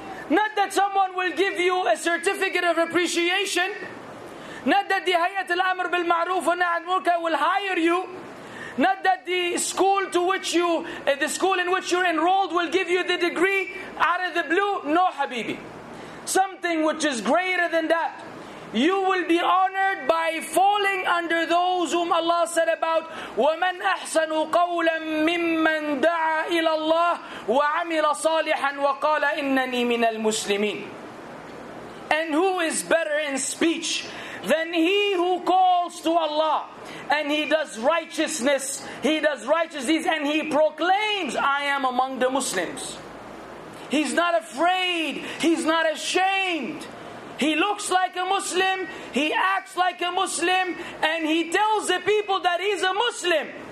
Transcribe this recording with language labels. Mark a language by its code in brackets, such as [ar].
[en] Not that someone will give you a certificate of appreciation. Not that the Hayat al-Amr bil-Ma'roof wa Nahy al-Munkar will hire you. Not that the school to which you, the school in which you're enrolled will give you the degree out of the blue. No, Habibi. Something which is greater than that. You will be honored by falling under those whom Allah said about, [ar] وَمَنْ أَحْسَنُ قَوْلًا مِمَّنْ دَعَى إِلَى اللَّهِ وَعَمِلَ صَالِحًا وَقَالَ إِنَّنِي مِنَ الْمُسْلِمِينَ. [en] And who is better in speech than he who calls to Allah and he does righteousness, he does righteous deeds, and he proclaims, I am among the Muslims. He's not afraid, he's not ashamed. He looks like a Muslim, he acts like a Muslim, and he tells the people that he's a Muslim.